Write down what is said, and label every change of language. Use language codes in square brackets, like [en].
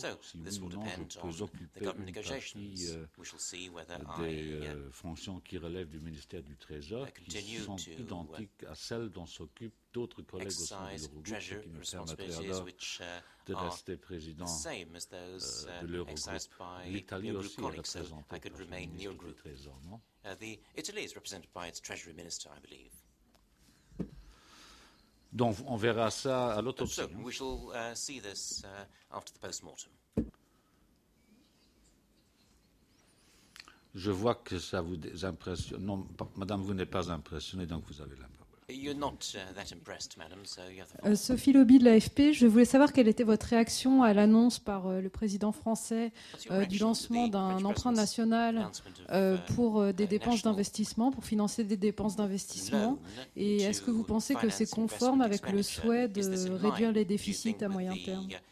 [fr] Si oui ou non, je peux occuper une partie des fonctions qui relèvent du ministère du Trésor, qui sont identiques à celles dont s'occupent d'autres collègues au sein de l'Eurogroupe, ce qui me permettrait alors de rester président de l'Eurogroupe. L'Italie aussi est représentée par le ministère du Trésor, non? L'Italie est représentée par son ministre du Trésor, je crois. Donc, on verra ça à l'autopsie. [en] So, we shall see this after the post-mortem. [fr] Je vois que ça vous impressionne. Non, madame, vous n'êtes pas impressionnée, donc vous avez la parole. [en] You're not that impressed, madame, so you have the floor. [fr] Sophie Lobby de l'AFP, je voulais savoir quelle était votre réaction à l'annonce par le président français du lancement d'un emprunt national pour des dépenses d'investissement, pour financer des dépenses d'investissement. Et est-ce que vous pensez que c'est conforme avec le souhait de réduire les déficits à moyen terme?